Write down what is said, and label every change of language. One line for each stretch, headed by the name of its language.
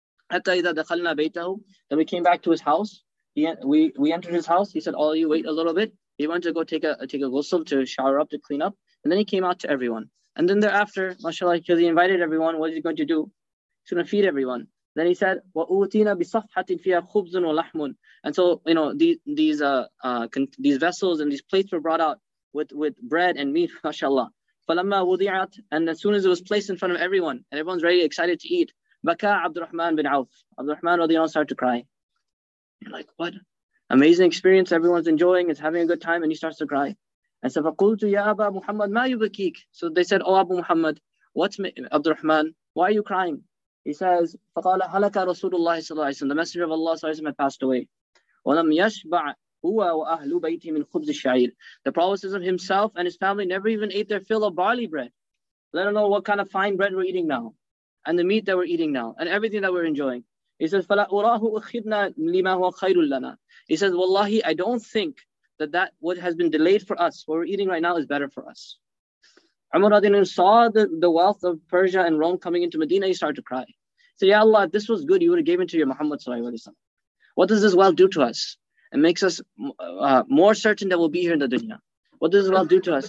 Arabic: Hatta idha dakhalna baytahu.
English: Then we came back to his house. We entered his house. He said, all you wait a little bit. He went to go take a ghusl to shower up, to clean up. And then he came out to everyone. And then thereafter, mashallah, because he invited everyone, what is he going to do? He's going to feed everyone. Then he said,
Arabic: وَأُوْتِينَ بِصَفْحَةٍ فِيهَا خُبْزٌ وَلَحْمٌ.
English: And so, you know, these vessels and these plates were brought out with bread and meat, mashallah.
Arabic: فَلَمَّا وُضِعَتْ.
English: And as soon as it was placed in front of everyone, and everyone's ready, excited to eat, Baka Abdurrahman bin Auf. Abdurrahman radiallahu anhu started to cry. You're like, what? Amazing experience, everyone's enjoying, is having a good time, and he starts to cry. And so
Arabic: faqultu ya Aba Muhammad ma yubakik.
English: So they said, oh Abu Muhammad, what's Abdurrahman? Why are you crying? He says,
Arabic: faqala halaka Rasulullah
English: sallallahu alayhi wa sallam, the messenger of Allah sallallahu alayhi wa sallam had passed away.
Arabic: وَلَمْ يَشْبَعْ هُوَ وَأَهْلُ بَيْتِهِ مِنْ خُبْزِ الشَّعِيرِ.
English: The Prophet ﷺ himself and his family never even ate their fill of barley bread. Let alone what kind of fine bread we're eating now. And the meat that we're eating now. And everything that we're enjoying. He says,
Arabic: فَلَا أُرَاهُ أُخِذْنَا لِمَا هُوَ خَيْرٌ لَنَا.
English: He says, wallahi, I don't think that what has been delayed for us, what we're eating right now, is better for us. Umar radiallahu anhu saw the wealth of Persia and Rome coming into Medina. He started to cry. He said, ya Allah, if this was good, you would have given to your Muhammad sallallahu alayhi wa sallam. What does this wealth do to us? It makes us more certain that we'll be here in the dunya. What does this wealth do to us?